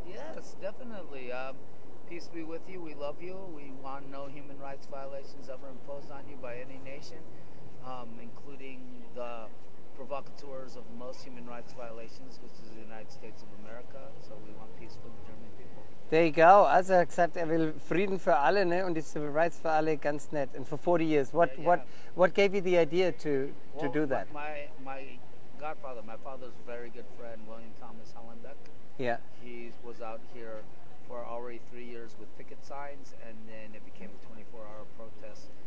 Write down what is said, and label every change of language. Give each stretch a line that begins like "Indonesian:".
English: Yes, definitely. Peace be with you. We love you. We want no human rights violations ever imposed on you by any nation, including the provocateurs of most human rights violations, which is the United States of America. So we want peace for the German people. There you go.
German: Also, er sagt, er will Frieden für alle, ne? Und die Civil Rights für alle, ganz nett.
English: And for 40 years, what gave you the idea to do that? My godfather, my father's very good friend, William Thomas Hollenbeck. Yeah. He was out here for already 3 years with picket signs, and then it became a 24-hour protest.